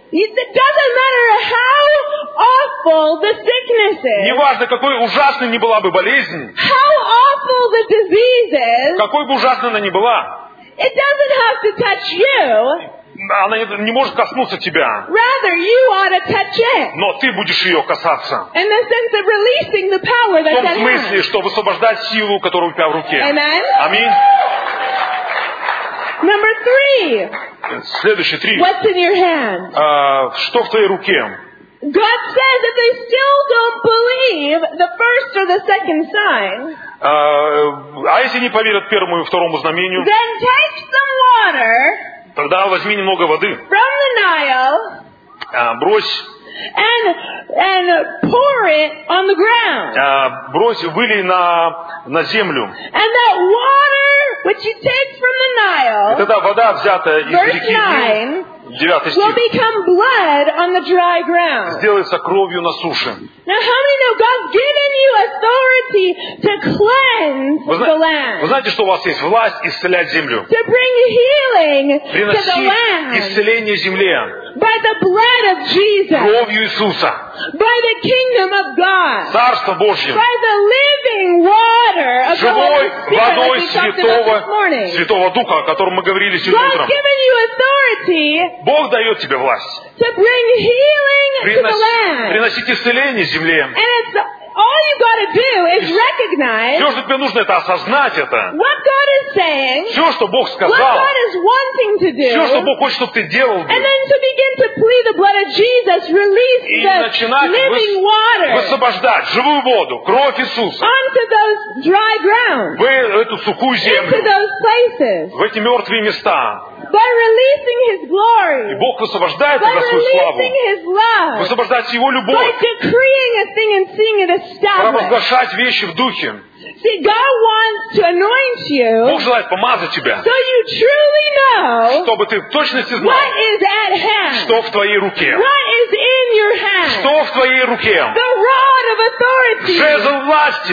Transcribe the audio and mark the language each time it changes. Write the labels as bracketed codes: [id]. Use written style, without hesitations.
[en] It doesn't matter how awful the sickness is. [ru] Неважно, какой ужасной ни была бы болезнь. [en] How awful the disease is. [ru] Какой бы ужасной она ни была. [en] It doesn't have to touch you. [ru] Она не может коснуться тебя. [en] Rather, you ought to touch it. [ru] Но ты будешь ее касаться. [en] In the sense of releasing the power that's in her. [ru] В том смысле, что высвобождать силу, которая у тебя в руке. [en] Amen. [ru] Аминь. [en] Number three. [ru] Следующий три. [en] What's in your hand? [ru] Что в твоей руке? [en] God says that they still don't believe the first or the second sign. [ru] А если не поверят первому и второму знамению? [en] Then take some water. [ru] Тогда возьми немного воды. [en] From the Nile, [ru] брось. [en] And pour it on the ground. [ru] Брось, вылей на землю. [en] And that water which you take from the Nile, [ru] и тогда вода, взятая из [en] verse [ru] реки 9, 9 стих. [en] Will become blood on the dry ground. [ru] Сделается кровью на суше. [en] Now how many know God's given you authority to cleanse the land? [ru] Вы знаете, что у вас есть власть исцелять землю. [en] To bring healing to the land. [ru] Исцеление земле. [en] By the blood of Jesus. [ru] Кровью Иисуса. [en] By the kingdom of God. [ru] Царство Божье. [en] By the living water of the Holy Spirit. [ru] Живой водой святого, святого Духа, о котором мы говорили сегодня утром. [en] God's given you authority. [ru] Бог дает тебе власть. [en] To bring healing to the land. [ru] Приносить исцеление земле. [en] And it's all you got to do is recognize. [ru] Все, что тебе нужно, это осознать это. [en] What God is saying. [ru] Все, что Бог сказал. [en] What God is wanting to do. [ru] Все, что Бог хочет, чтобы ты делал. [en] And then to begin to plead the blood of Jesus, release the living water. [ru] Высвобождать живую воду, кровь Иисуса. [en] Onto those dry ground. [ru] В эту сухую землю. [en] Into those places. [ru] В эти мертвые места. [en] By releasing His glory. [ru] И Бог высвобождает тогда свою славу. [en] By releasing His love. [ru] Высвобождает Его любовь. [en] By decreeing a thing and seeing it established. [ru] Провозглашать вещи в духе. [en] See, God wants to anoint you. [ru] Бог желает помазать тебя. [en] So you truly know. [ru] Чтобы ты в точности знал. [en] What is at hand? [ru] Что в твоей руке? [en] What is in your hand? [ru] Что в твоей руке? [en] The rod of authority. [ru] Жезл власти.